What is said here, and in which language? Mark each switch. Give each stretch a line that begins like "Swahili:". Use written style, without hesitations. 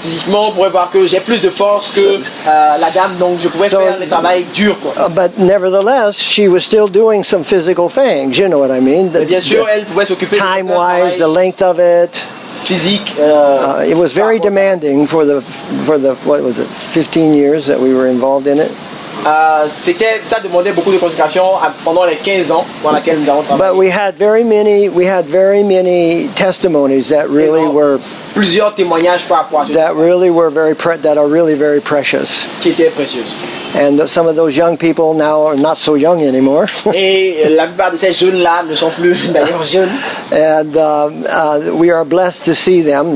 French: Physiquement, on pourrait voir que j'ai plus de force que la dame, donc je pouvais faire le travail dur, quoi.
English: But nevertheless, she was still doing some physical things. You know what I mean?
French: Bien sûr, elle pouvait s'occuper.
English: Time-wise, the length of it.
French: Physique.
English: It was very demanding for the what was it? 15 years that we were involved in it.
French: Ça demandait beaucoup de concentration pendant les 15 ans dans lesquels nous avons travaillé.
English: But we had very many testimonies that really were
French: plusieurs témoignages par rapport à
English: that really were very that are really very precious.
French: Qui étaient précieuses.
English: And some of those young people now are not so young anymore. We are blessed to see them.